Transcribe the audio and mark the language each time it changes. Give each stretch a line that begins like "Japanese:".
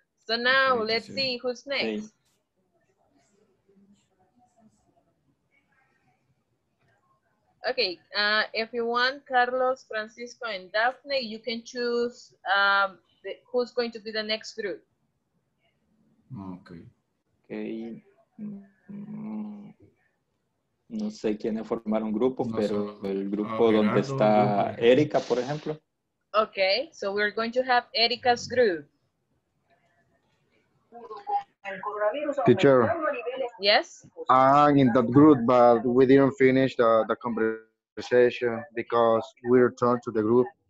English: So now, thank let's you, see who's next. Thanks. Okay, if you want, Carlos, Francisco, and Daphne, you can choose who's going to be the next group. Okay. Okay.
Spanish: No sé quiénes formaron grupo, no, pero sir, el grupo donde Gerardo, está Erika, por ejemplo.
English: Okay, so we're going to have Erika's group. Teacher. Yes. I'm in that group, but we didn't finish the conversation because we returned to the group.